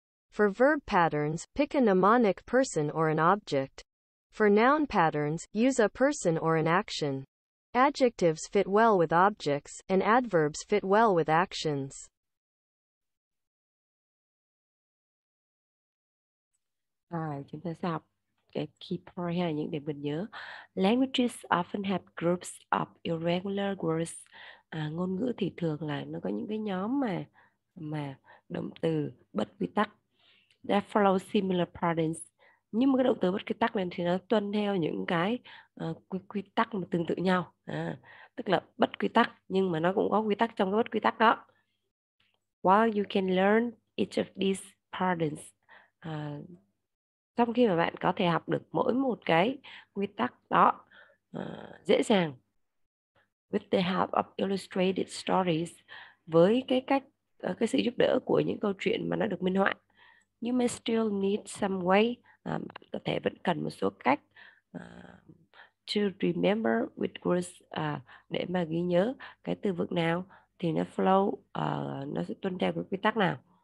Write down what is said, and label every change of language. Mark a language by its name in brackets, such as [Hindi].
[English] For verb patterns, pick a mnemonic person or an object. For noun patterns, use a person or an action. Adjectives fit well with objects, and adverbs fit well with actions. [Vietnamese] Chúng ta sẽ học cái key point hay những điểm mình nhớ. [English] Languages often have groups of irregular words. [Vietnamese] Ngôn ngữ thì thường là nó có những cái nhóm mà động từ bất quy tắc. [English] That follow similar patterns. [Vietnamese] Nhưng mà cái động từ bất quy tắc này thì nó tuân theo những cái quy tắc mà tương tự nhau. Tức là bất quy tắc nhưng mà nó cũng có quy tắc trong cái bất quy tắc đó. [English] While you can learn each of these patterns. [Vietnamese] Trong khi mà bạn có thể học được mỗi một cái quy tắc đó dễ dàng. [English] With the help of illustrated stories. [Vietnamese] Với cái cách, cái sự giúp đỡ của những câu chuyện mà nó được minh họa. [English] You may still need some way. [Vietnamese] Có thể vẫn cần một số cách [English] to remember which words [Vietnamese] để mà ghi nhớ cái từ vựng nào thì nó flow, nó sẽ tuân theo cái quy tắc nào.